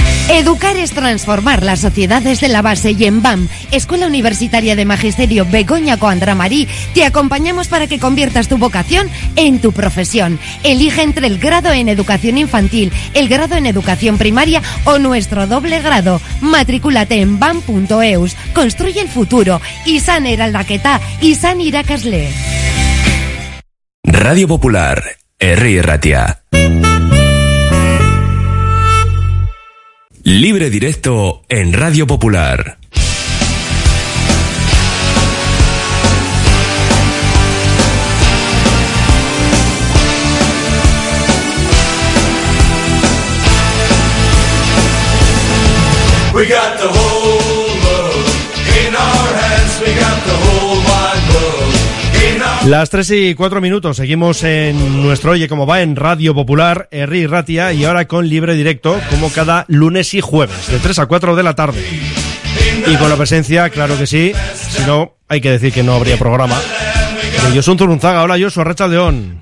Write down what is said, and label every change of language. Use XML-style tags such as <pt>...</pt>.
<es>Educar es transformar las sociedades de la base y en BAM, Escuela Universitaria de Magisterio Begoña Coandramarí, te acompañamos para que conviertas tu vocación en tu profesión. Elige entre el grado en educación infantil, el grado en educación primaria o nuestro doble grado. Matrículate en BAM.eus, construye el futuro.</es> <eu>Izan eraldaketa, izan irakasle.</eu> <es>Radio Popular, Herri Irratia. Libre directo en Radio Popular.</es> <en>We got the whole world in our hands, we got the whole wide world in our...</en> <es>Las 3 y 4 minutos, seguimos en nuestro Oye Cómo Va en Radio Popular, Herri Irratia, y ahora con Libre Directo, como cada lunes y jueves, de 3 a 4 de la tarde. Y con la presencia, claro que sí, si no, hay que decir que no habría programa. Josu Zurunzaga, hola Josu, arratsaldeon.</es>